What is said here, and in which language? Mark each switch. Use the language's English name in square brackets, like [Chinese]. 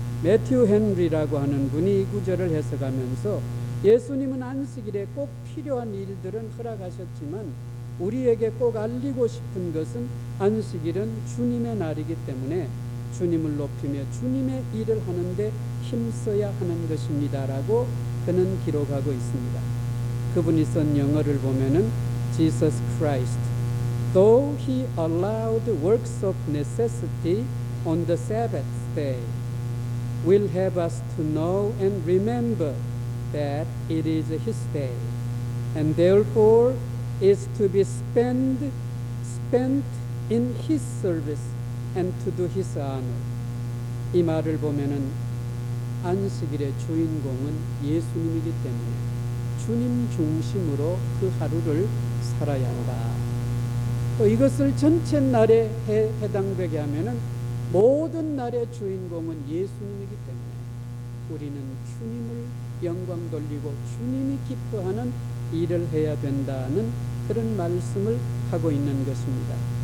[Korean] 매튜 헨리라고 하는 분이 이 구절을 해석하면서 예수님은 안식일에 꼭 필요한 일들은 허락하셨지만 우리에게 꼭 알리고 싶은 것은 안식일은 주님의 날이기 때문에 주님을 높이며 주님의 일을 하는데 힘써야 하는 것입니다 라고 그는 기록하고 있습니다. 그분이 쓴 영어를 보면은 [English] Jesus Christ Though he allowed works of necessity on the Sabbath day will have us to know and remember that it is his day and therefore is to be spent in his service and to do his honor. [Korean] 이 말을 보면은 안식일의 주인공은 예수님이기 때문에 주님 중심으로 그 하루를 살아야 한다. 또 이것을 전체 날에 해당되게 하면은 모든 날의 주인공은 예수님이기 때문에 우리는 주님을 영광 돌리고 주님이 기뻐하는 일을 해야 된다는 그런 말씀을 하고 있는 것입니다.